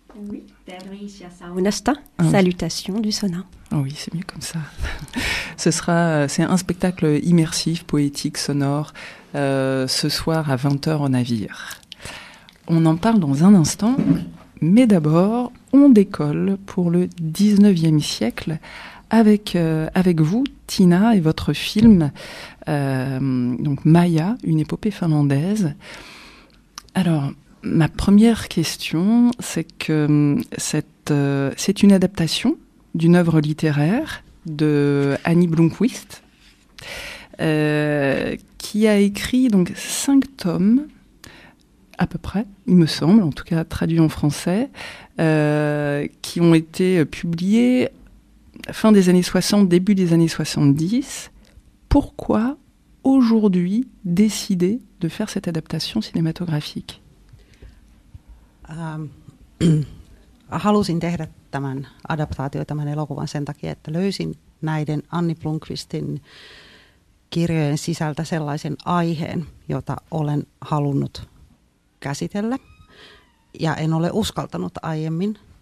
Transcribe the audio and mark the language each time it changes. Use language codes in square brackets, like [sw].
[fi] Oui, Terveisiä Saunasta. [fr] Salutations du sauna. Oh oui, c'est mieux comme ça. C'est un spectacle immersif, poétique, sonore, ce soir à 20h au navire. On en parle dans un instant, mais d'abord, on décolle pour le 19e siècle. Avec vous, Tiina, et votre film, donc Maya, une épopée finlandaise. Alors, ma première question, c'est que c'est une adaptation d'une œuvre littéraire de Annie Blomqvist, qui a écrit donc 5 tomes, à peu près, il me semble, en tout cas traduits en français, qui ont été publiés fin des années 60, début des années 70. Pourquoi aujourd'hui décider de faire cette adaptation cinématographique? [fi] Halusin tehdä tämän adaptaatio, tämän elokuvan sen takia, että löysin näiden Anni Blomqvistin kirjojen sisältä sellaisen aiheen, jota olen halunnut käsitellä ja en ole uskaltanut aiemmin.